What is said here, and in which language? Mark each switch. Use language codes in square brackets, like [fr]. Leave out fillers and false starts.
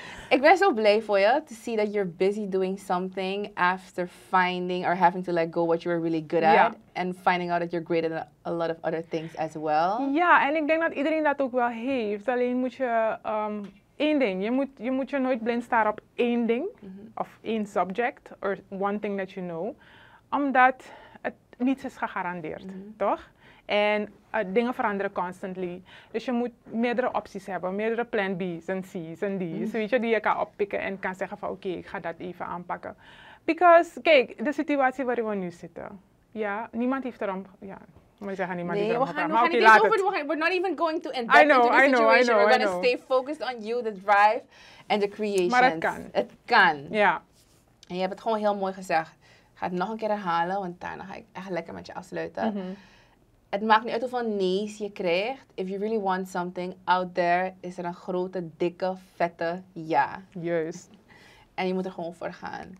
[nl] Ik ben zo blij voor je [en] to see that you're busy doing something after finding or having to let go what you were really good at. And finding out that you're great at a lot of other things as well. [nl] Ja, en ik denk dat iedereen dat ook wel heeft. Alleen moet je één ding. Je moet je nooit blind staren op één ding. Mm-hmm. Of één subject. [en] Or one thing that you know. [nl] Omdat het niets is gegarandeerd. Mm-hmm. Toch? En dingen veranderen constantly. Dus je moet meerdere opties hebben. Meerdere plan B's en C's en D's. Weet je, die je kan oppikken en kan zeggen van oké, ik ga dat even aanpakken. Because, kijk, de situatie waarin we nu zitten. Ja, niemand heeft erom... Ja, moet je zeggen, niemand heeft erom gepraat. Maar oké, laat het. [en] We're not even going to invest into the situation. We're going to stay focused on you, the drive and the creations. [nl] Maar het kan. Het kan. Ja. En je hebt het gewoon heel mooi gezegd. Ga het nog een keer herhalen, want daarna ga ik echt lekker met je afsluiten. Mm-hmm. Het maakt niet uit hoeveel nee's je krijgt. [en] If you really want something out there, [nl] is er een grote, dikke, vette ja. Juist. En je moet er gewoon voor gaan.